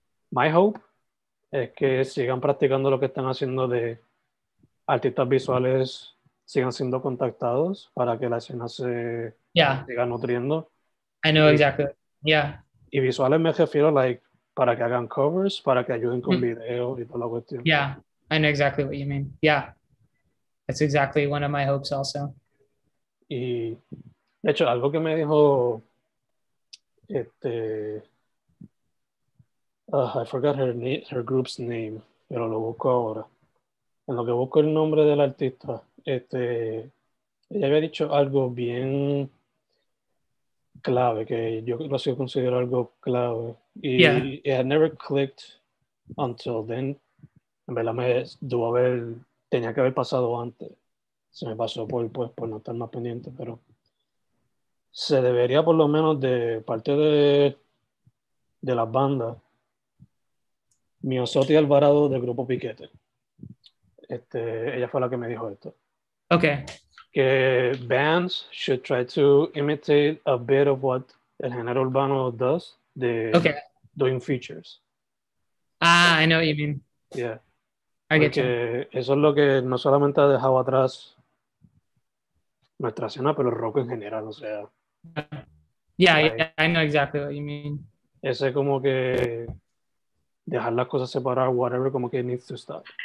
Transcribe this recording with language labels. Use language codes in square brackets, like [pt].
[en] My hope [es] es que sigan practicando lo que están haciendo de artistas visuales sigan siendo contactados para que la escena se siga nutriendo. [en] I know exactly. Yeah. [es] Y visuales me refiero like para que hagan covers, para que ayuden con video y toda la cuestión. [en] Yeah, I know exactly what you mean. Yeah, that's exactly one of my hopes also. [es] Y de hecho algo que me dijo [en] I forgot her group's name, [es] pero lo busco ahora. En lo que busco el nombre del artista, ella había dicho algo bien clave, que yo lo sigo considerando algo clave. [en] Y it had never clicked until then. [es] En verdad, tenía que haber pasado antes. Se me pasó por no estar más pendiente, pero se debería por lo menos de parte de las bandas, Miosotti Alvarado del Grupo Piquete. Ella fue la que me dijo esto. [en] Okay. Que bands should try to imitate a bit of what [es] el género urbano [en] does, the doing features. Ah, I know what you mean. Yeah. I get you. [es] Eso es lo que no solamente ha dejado atrás nuestra escena, pero el rock en general, o sea. [en] Yeah, I know exactly what you mean. [es] Ese es como que dejar las cosas separadas, whatever, como que [en] needs to stop.